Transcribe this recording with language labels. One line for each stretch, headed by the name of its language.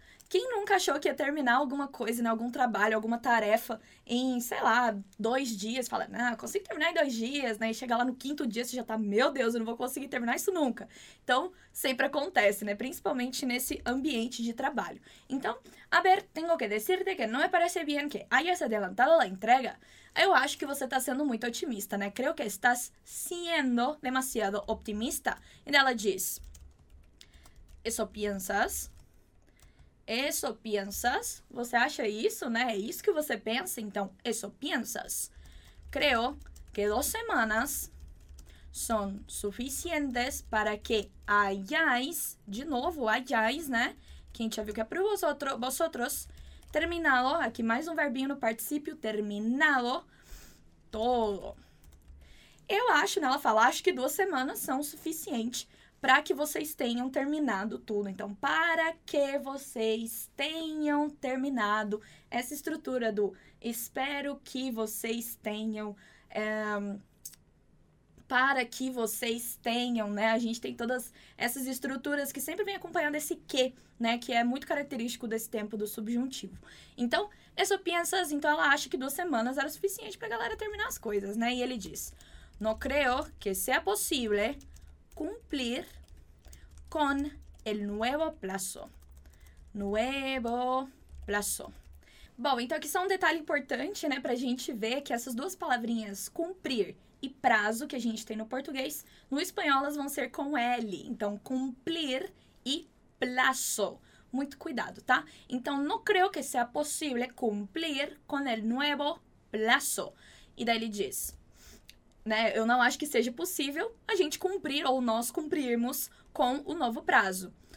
Portuguese: Quem nunca achou que ia terminar alguma coisa, né? Algum trabalho, alguma tarefa em, sei lá, 2 dias? Fala, não, consigo terminar em 2 dias, né? E chega lá no quinto dia, você já tá, meu Deus, eu não vou conseguir terminar isso nunca. Então, sempre acontece, né? Principalmente nesse ambiente de trabalho.
Spanish: Então, a ver, tengo que decirte que no me parece bien que hayas adelantado la entrega.
Portuguese: Eu acho que você tá sendo muito otimista, né?
Spanish: Creo que estás siendo demasiado optimista.
Portuguese: E ela diz,
Spanish: eso piensas... Eso piensas?
Portuguese: Você acha isso, né? É isso que você pensa?
Spanish: Então, eso piensas? Creo que 2 semanas son suficientes para que hayáis,
Portuguese: de novo,
Spanish: hayáis, né?
Portuguese: Quem já viu que é para vosotros, terminado, aqui mais um verbinho no participio, terminado, todo. Eu acho, né? Ela fala, acho que 2 semanas são suficientes para que vocês tenham terminado tudo. Então, para que vocês tenham terminado essa estrutura do espero que vocês tenham, para que vocês tenham, né? A gente tem todas essas estruturas que sempre vem acompanhando esse que, né? Que é muito característico desse tempo do subjuntivo. Então,
Spanish: eso piensas,
Portuguese: então ela acha que 2 semanas era suficiente para a galera terminar as coisas, né? E ele diz,
Spanish: no creo que sea posible cumplir con el nuevo plazo. Nuevo plazo.
Portuguese: Bom, então aqui só um detalhe importante, né, pra gente ver que essas duas palavrinhas, cumprir e prazo, que a gente tem no português, no espanhol elas vão ser com L. Então, cumplir e plazo. Muito cuidado, tá?
Spanish: Então, no creo que sea posible cumplir con el nuevo plazo.
Portuguese: E daí ele diz, né, eu não acho que seja possível a gente cumprir ou nós cumprirmos com o novo prazo.